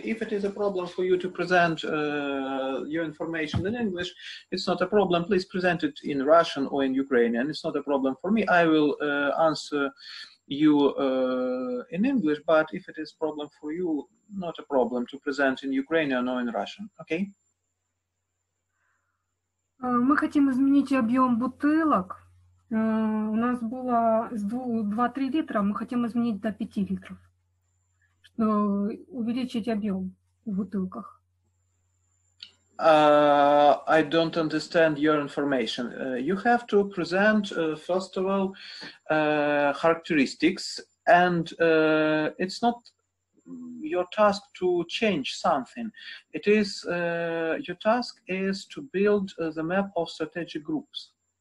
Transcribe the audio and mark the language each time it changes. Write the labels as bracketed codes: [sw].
[en] If it is a problem for you to present your information in English, it's not a problem. Please present it in Russian or in Ukrainian. It's not a problem for me. I will answer you in English, but if it is a problem for you, not a problem to present in Ukrainian or in Russian, okay? [ru] Мы хотим изменить объем бутылок. У нас было 2-3 литра, мы хотим изменить до 5 литров, чтобы увеличить объем в бутылках. [en] I don't understand your information. You have to present, first of all, characteristics, and it's not your task to change something. It is, your task is to build the map of strategic groups.